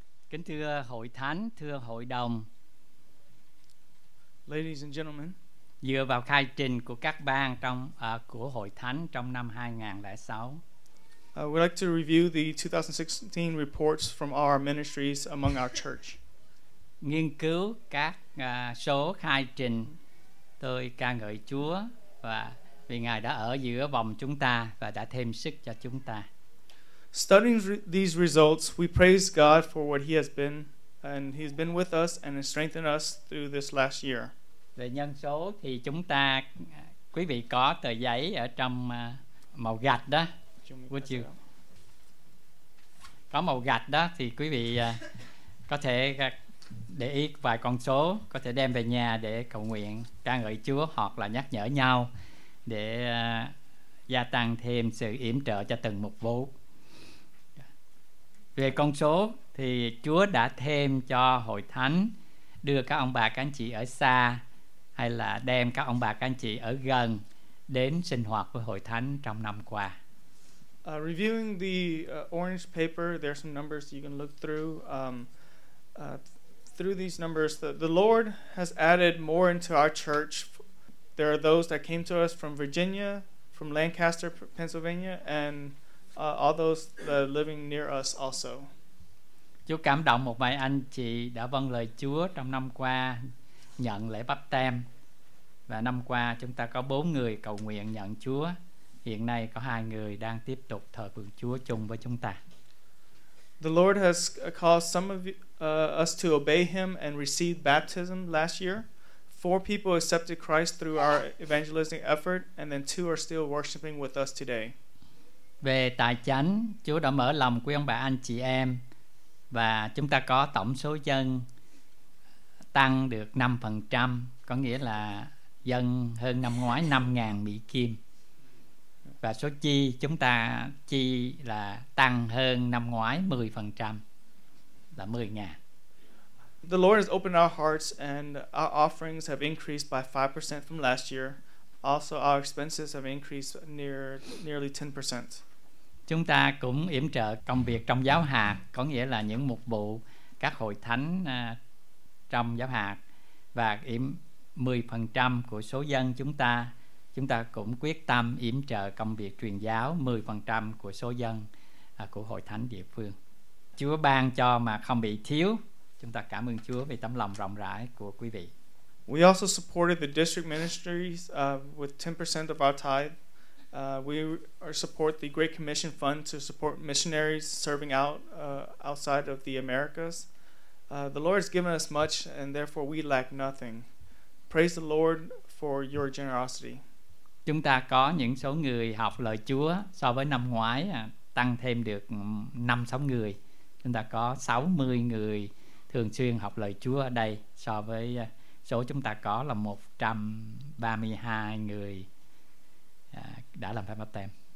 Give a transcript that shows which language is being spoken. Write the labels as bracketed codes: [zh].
[vi] Kính thưa hội thánh, thưa hội đồng. [en] Ladies and gentlemen, [vi] dựa vào khai trình của các bang trong của hội thánh trong năm 2006. [en] We'd like to review the 2016 reports from our ministries among our church. [vi] Nghiên cứu các số khai trình, tôi ca ngợi Chúa và vì Ngài đã ở giữa vòng chúng ta và đã thêm sức cho chúng ta. [en] Studying these results, we praise God for what He has been, and He's been with us and has strengthened us through this last year. [vi] Về nhân số thì chúng ta, quý vị có tờ giấy ở trong màu gạch đó. Có màu gạch đó thì quý vị có thể để ý vài con số, có thể đem về nhà để cầu nguyện, ca ngợi Chúa hoặc là nhắc nhở nhau để gia tăng thêm sự yểm trợ cho từng mục vụ. Về con số thì Chúa đã thêm cho hội thánh đưa các ông bà các anh chị ở xa hay là đem các ông bà các anh chị ở gần đến sinh hoạt với hội thánh trong năm qua. [en] Reviewing the orange paper, there are some numbers you can look through. Through these numbers, the Lord has added more into our church. There are those that came to us from Virginia, from Lancaster, Pennsylvania, and all those that are living near us also. [vi] Chúa cảm động một vài anh chị đã vâng lời Chúa trong năm qua, nhận lễ báp têm. Và năm qua chúng ta có 4 người cầu nguyện nhận Chúa. Hiện nay có 2 người đang tiếp tục thờ phượng Chúa chung với chúng ta. [en] The Lord has caused some of us to obey Him and receive baptism last year. 4 people accepted Christ through our evangelistic effort, and then 2 are still worshiping with us today. [vi] Về tài chánh, Chúa đã mở lòng quý ông bà anh chị em và chúng ta có tổng số dân tăng được 5%, có nghĩa là dân hơn năm ngoái 5.000 Mỹ Kim. Và số chi chúng ta chi là tăng hơn năm ngoái 10%, là 10.000. [en] The Lord has opened our hearts and our offerings have increased by 5% from last year. Also, our expenses have increased nearly 10%. [vi] Chúng ta cũng yểm trợ công việc trong giáo hạt, có nghĩa là những mục vụ các hội thánh trong giáo hạt, và yểm 10% của số dân chúng ta cũng quyết tâm yểm trợ công việc truyền giáo 10% của số dân của hội thánh địa phương. Chúa ban cho mà không bị thiếu. Chúng ta cảm ơn Chúa vì tấm lòng rộng rãi của quý vị. [en] We also supported the district ministries with 10% of our tithe. We support the Great Commission Fund to support missionaries serving outside of the Americas. The Lord has given us much, and therefore we lack nothing. Praise the Lord for your generosity. [vi] Chúng ta có những số người học lời Chúa so với năm ngoái tăng thêm được 5-6 người. Chúng ta có 60 người thường xuyên học lời Chúa ở đây so với số chúng ta có là 132 người đã làm phép báp têm.